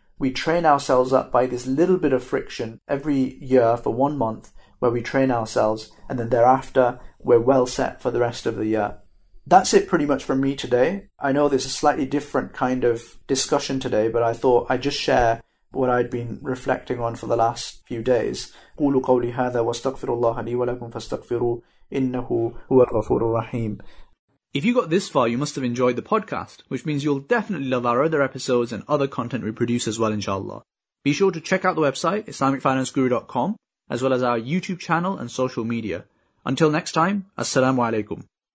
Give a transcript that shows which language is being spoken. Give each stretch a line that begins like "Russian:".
English: we train ourselves up by this little bit of friction every year for 1 month, where we train ourselves, and then thereafter, we're well set for the rest of the year. That's it pretty much from me today. I know there's a slightly different kind of discussion today, but I thought I'd just share what I'd been reflecting on for the last few days.
Arabic: قولوا قولي هذا واستغفر الله لي ولكم فاستغفروا إنه هو الغفور الرحيم.
English: If you got this far, you must have enjoyed the podcast, which means you'll definitely love our other episodes and other content we produce as well, inshallah. Be sure to check out the website, islamicfinanceguru.com, as well as our YouTube channel and social media. Until next time, assalamu alaikum.